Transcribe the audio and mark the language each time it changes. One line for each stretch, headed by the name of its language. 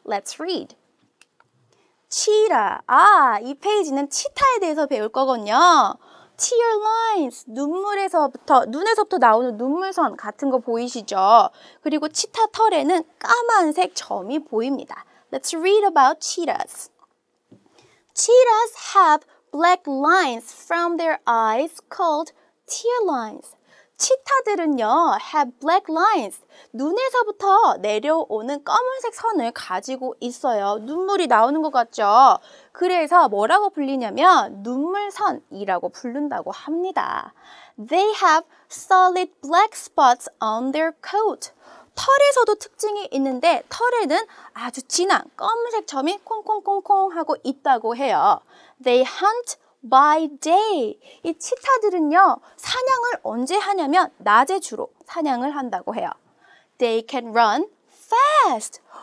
English: Let's read. 치타.
Korean: 아, 이 페이지는 치타에 대해서 배울 거군요.
English: Tear lines.
Korean: 눈에서부터 나오는 눈물선 같은 거 보이시죠? 그리고 치타 털에는 까만색 점이 보입니다.
English: Let's read about cheetahs. Cheetahs have black lines from their eyes called tear lines.
Korean: 치타들은요,
English: have black lines.
Korean: 눈에서부터 내려오는 검은색 선을 가지고 있어요. 눈물이 나오는 것 같죠? 그래서 뭐라고 불리냐면 눈물선이라고 부른다고 합니다.
English: They have solid black spots on their coat.
Korean: 털에서도 특징이 있는데 털에는 아주 진한 검은색 점이 콩콩콩콩 하고 있다고 해요.
English: They hunt by day.
Korean: 이 치타들은요, 사냥을 언제 하냐면 낮에 주로 사냥을 한다고 해요.
English: They can run fast.